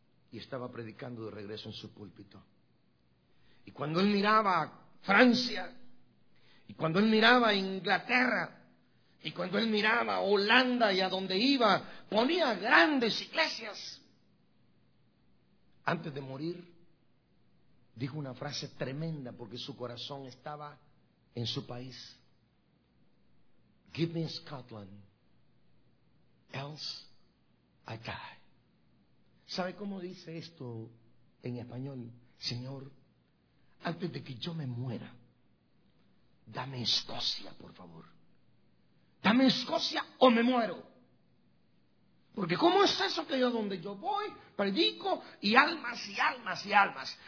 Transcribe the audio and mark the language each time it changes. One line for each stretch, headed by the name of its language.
Spanish: Y estaba predicando de regreso en su púlpito. Y cuando él miraba Francia, y cuando él miraba Inglaterra, y cuando él miraba Holanda y a donde iba, ponía grandes iglesias. Antes de morir, dijo una frase tremenda porque su corazón estaba en su país.
English: Give me Scotland, else I die.
Spanish: ¿Sabe cómo dice esto en español? Señor, antes de que yo me muera, dame Escocia, por favor. Dame Escocia o me muero. Porque ¿cómo es eso que yo donde yo voy, predico y almas y almas y almas?